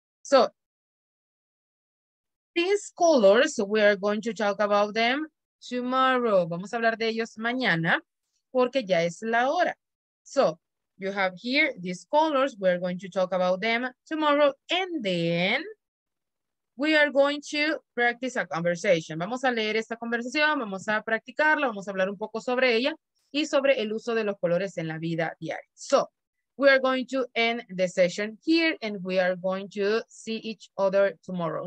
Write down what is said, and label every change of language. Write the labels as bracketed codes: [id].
[en] So, these colors, we are going to talk about them tomorrow. [es] Vamos a hablar de ellos mañana porque ya es la hora. [en] So, you have here these colors. We are going to talk about them tomorrow. And then, we are going to practice a conversation. [es] Vamos a leer esta conversación, vamos a practicarla, vamos a hablar un poco sobre ella y sobre el uso de los colores en la vida diaria. [en] So, we are going to end the session here and we are going to see each other tomorrow.